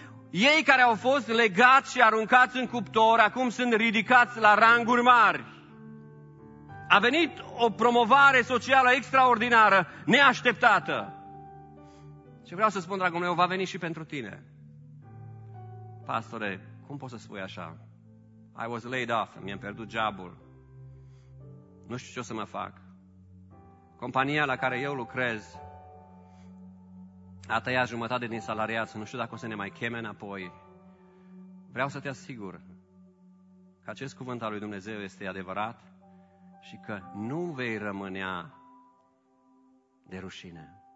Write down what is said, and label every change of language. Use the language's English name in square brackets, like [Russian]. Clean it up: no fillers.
[Romanian] Ei care au fost legați și aruncați în cuptor, acum sunt ridicați la ranguri mari. A venit o promovare socială extraordinară, neașteptată. Ce vreau să spun, dragul meu, va veni și pentru tine. Pastore, cum poți să spui așa? [English] I was laid off, [Romanian] mi-am pierdut job-ul. Nu știu ce o să mă fac. Compania la care eu lucrez a tăiat jumătate din salariați, nu știu dacă o să ne mai cheme înapoi. Vreau să te asigur că acest cuvânt al lui Dumnezeu este adevărat și că nu vei rămânea de rușine.